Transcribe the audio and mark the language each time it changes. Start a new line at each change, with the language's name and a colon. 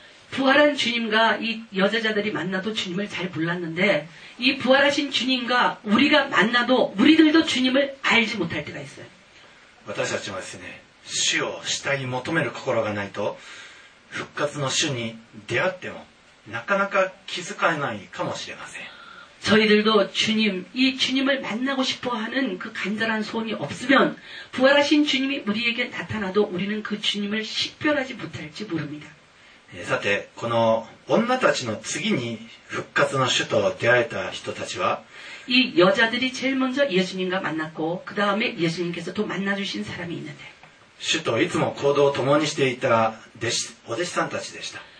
Korean: 부활한주님과이여자자들이만나도주님을잘몰랐는데이부활하신주님과우리가만나도우리들도주님을알지못할때가있어요。
Japanese: 私たちもですね、主を下に求める心がないと復活の主に出会ってもなかなか気づかないかもしれません。
Korean: 저희들도 주님, 이 주님을 만나고 싶어하는 그 간절한 소원이 없으면 부활하신 주님이 우리에게 나타나도 우리는 그 주님을 식별하지 못할지 모릅니다.
Japanese: さて、この女たちの次に復活の主と出会えた人たちは、
Korean: 이여자들이제일먼저예수님과만났고그다음에예수님께서또만나주신사람이있는데
Japanese: 主といつも行動を共にしていた弟子、お弟子さんたちでした。